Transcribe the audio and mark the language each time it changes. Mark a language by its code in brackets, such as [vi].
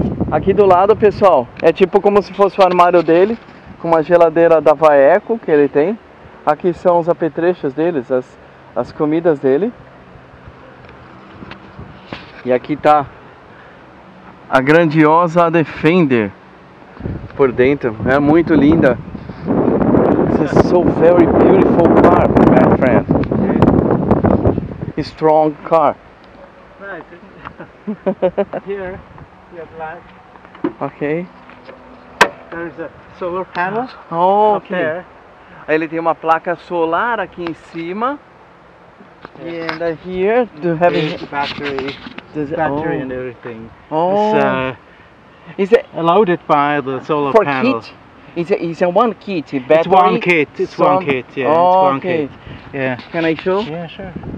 [pt] Aqui do lado, pessoal, é tipo como se fosse o armário dele, com uma geladeira da Vaeco que ele tem. Aqui são os apetrechos deles, as comidas dele. E aqui tá a grandiosa Defender por dentro, é muito linda. [en] This is so very beautiful car, my friend. Strong car. Right. Here, you have light. Okay. There is a solar panel. Oh, okay. [pt] Ele tem uma placa solar aqui em cima. [en] Yeah. And here, do you have a battery? Battery and everything. Oh. It's Is it loaded by the solar for panels? Kit? It's a one kit, battery? It's one kit, it's some one kit, yeah, oh, it's one okay. kit. Yeah. Can I show? Yeah, sure.